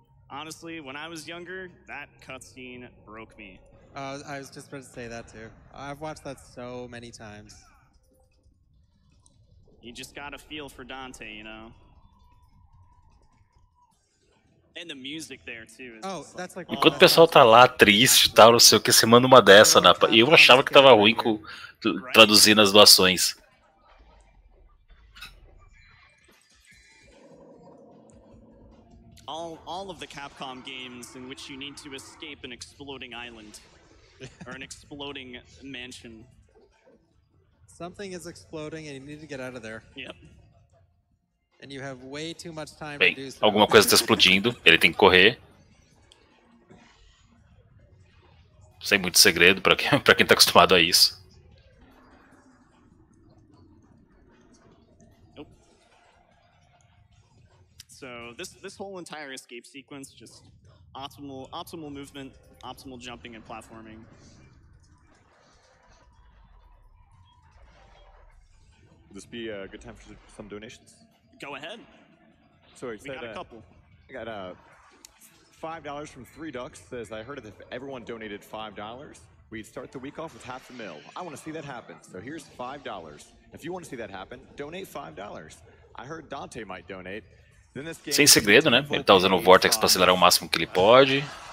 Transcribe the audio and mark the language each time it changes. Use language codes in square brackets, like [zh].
[en] Honestly, when I was younger, that cutscene broke me. I was just about to say that too. I've watched that so many times. You just got a feel for Dante, you know? And the music there too. Oh, that's like. [pt] Enquanto o pessoal tá lá triste e tal, não sei o que, você manda uma dessa, Napa. E eu achava que tava ruim com traduzindo as doações. [en] All of the Capcom games in which you need to escape an exploding island. Or an exploding mansion. Something is exploding and you need to get out of there. Yep. And you have way too much time. [pt] Bem, [en] to do so. [pt] Alguma coisa está explodindo, ele tem que correr. Sem muito segredo para quem está acostumado a isso. [en] Nope. So, this whole entire escape sequence just optimal movement. Optimal jumping and platforming. Would this be a good time for some donations? Go ahead. Sorry, we got a couple. I got $5 from Three Ducks. Says I heard that if everyone donated $5, we'd start the week off with half a mil. I want to see that happen. So here's $5. If you want to see that happen, donate $5. I heard Dante might donate. Then this game. [pt] Sem segredo, né? Ele tá usando o Vortex para acelerar o máximo que ele pode.